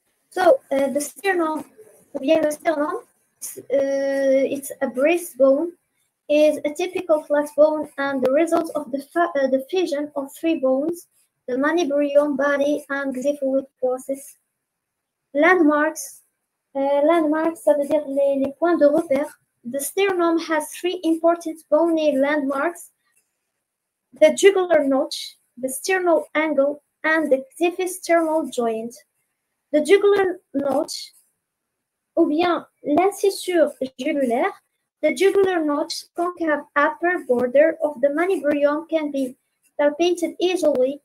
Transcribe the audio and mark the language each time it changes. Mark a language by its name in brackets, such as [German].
[English] So, the sternum, [French] ou bien le sternum, [English] it's a breast bone, is a typical flex bone and the result of the fusion of three bones, the manubrium, body, and xiphoid process. Landmarks, [French] Landmarks, ça veut dire les points de repère. [English] The sternum has three important bony landmarks: the jugular notch, the sternal angle, and the diffusternal joint. The jugular notch, [French] ou bien l'incisure jugulaire, [English] the jugular notch concave upper border of the manubrium can be palpated easily.